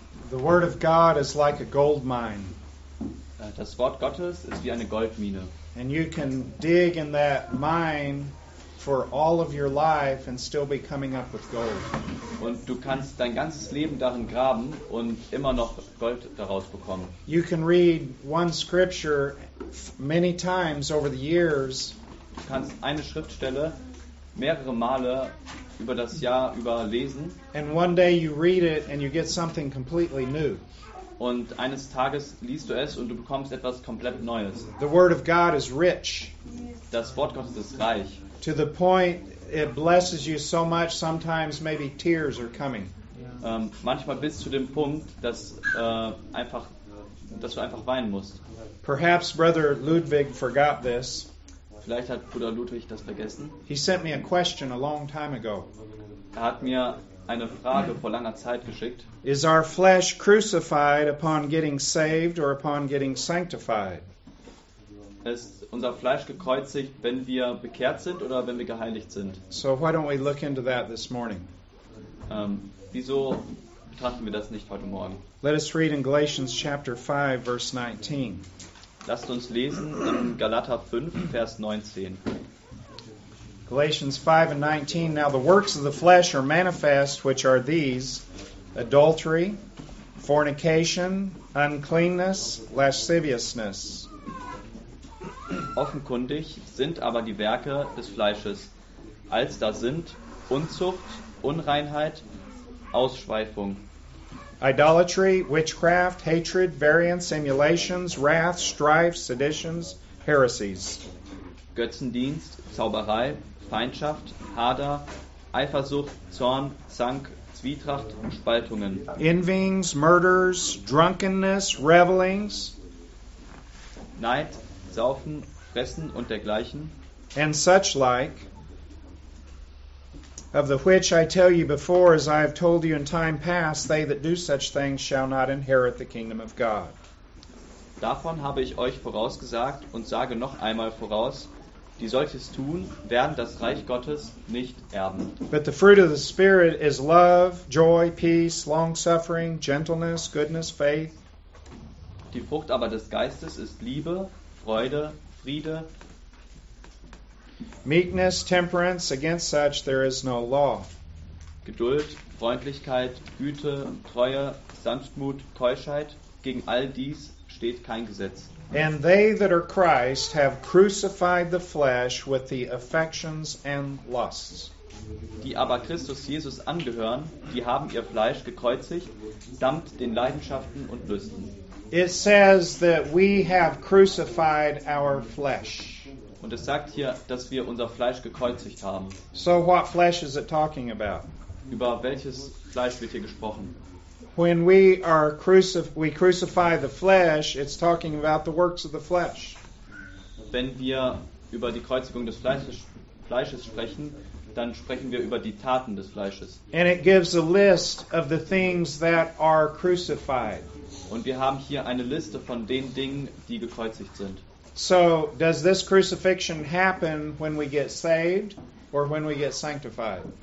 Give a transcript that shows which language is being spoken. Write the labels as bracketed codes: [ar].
[en] The word of God is like a gold mine. [de] Das Wort Gottes ist wie eine Goldmine. [en] And you can dig in that mine for all of your life and still be coming up with gold. [de] Und du kannst dein ganzes Leben darin graben und immer noch Gold daraus bekommen. [en] You can read one scripture many times over the years. [de] Du kannst eine Schriftstelle mehrere Male über das Jahr überlesen. [en] And one day you read it and you get something completely new. [de] Und eines Tages liest du es und du bekommst etwas komplett Neues. [en] The word of God is rich. [de] Das Wort Gottes ist reich. [en] To the point it blesses you so much, sometimes maybe tears are coming. [de] Manchmal bis zu dem Punkt, dass du einfach weinen musst. [en] Perhaps Brother Ludwig forgot this. [de] Vielleicht hat Bruder Ludwig das vergessen. [en] He sent me a question a long time ago. [de] Er hat mir eine Frage vor langer Zeit geschickt. [en] Is our flesh crucified upon getting saved or upon getting sanctified? [de] Ist unser Fleisch gekreuzigt, wenn wir bekehrt sind oder wenn wir geheiligt sind? [en] So why don't we look into that this morning? [de] Wieso betrachten wir das nicht heute Morgen? [en] Let us read in Galatians chapter 5, verse 19. [de] Lasst uns lesen in Galater 5, Vers 19. [en] Galatians 5 and 19. Now the works of the flesh are manifest, which are these: adultery, fornication, uncleanness, lasciviousness. [de] Offenkundig sind aber die Werke des Fleisches, als da sind Unzucht, Unreinheit, Ausschweifung. [en] Idolatry, witchcraft, hatred, variance, emulations, wrath, strife, seditions, heresies. [de] Götzendienst, Zauberei, Feindschaft, Hader, Eifersucht, Zorn, Zank, Zwietracht, Spaltungen. [en] Envyings, murders, drunkenness, revelings. [de] Neid, Saufen, Fressen und dergleichen. [en] And such like, of the which I tell you before, as I have told you in time past, they that do such things shall not inherit the kingdom of God. [de] Davon habe ich euch vorausgesagt und sage noch einmal voraus, die solches tun, werden das Reich Gottes nicht erben. [en] But the fruit of the Spirit is love, joy, peace, long-suffering, gentleness, goodness, faith. [de] Die Frucht aber des Geistes ist Liebe, Freude, Friede. [en] Meekness, temperance, against such there is no law. [de] Geduld, Freundlichkeit, Güte, Treue, Sanftmut, Keuschheit, gegen all dies steht kein Gesetz. [en] And they that are Christ have crucified the flesh with the affections and lusts. [de] Die aber Christus Jesus angehören, die haben ihr Fleisch gekreuzigt samt den Leidenschaften und Lüsten. [en] It says that we have crucified our flesh. [de] Und es sagt hier, dass wir unser Fleisch gekreuzigt haben. [en] So what flesh is it talking about? [de] Über welches Fleisch wird hier gesprochen? [en] When we crucify the flesh, it's talking about the works of the flesh. [de] Wenn wir über die Kreuzigung des Fleisches sprechen, dann sprechen wir über die Taten des Fleisches. [en] And it gives a list of the things that are crucified. [de] Und wir haben hier eine Liste von den Dingen, die gekreuzigt sind. [en] So, does this crucifixion happen when we get saved or when we get sanctified?